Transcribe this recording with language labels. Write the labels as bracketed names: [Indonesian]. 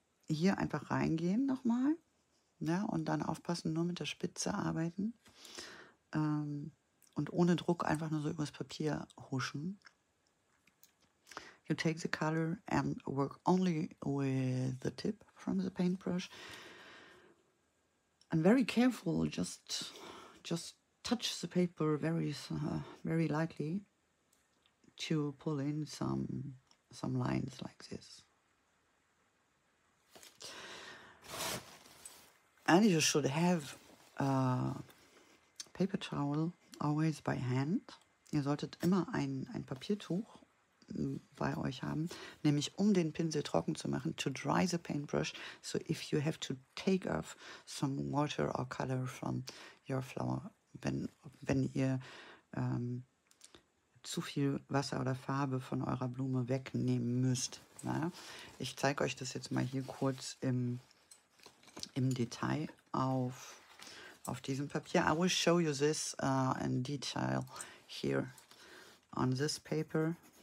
[German] hier einfach reingehen nochmal, ne, und dann aufpassen, nur mit der Spitze arbeiten und ohne Druck einfach nur so übers Papier huschen. [English] You take the color and work only with the tip from the paintbrush. And very careful, just touch the paper very lightly to pull in some lines like this. And you should have a paper towel always by hand. [German] Ihr solltet immer ein Papiertuch bei euch haben, nämlich um den Pinsel trocken zu machen, [English] to dry the paintbrush, so if you have to take off some water or color from your flower, [German] wenn ihr zu viel Wasser oder Farbe von eurer Blume wegnehmen müsst. Na, ich zeige euch das jetzt mal hier kurz im Detail auf diesem Papier. [English] I will show you this in detail here on this paper.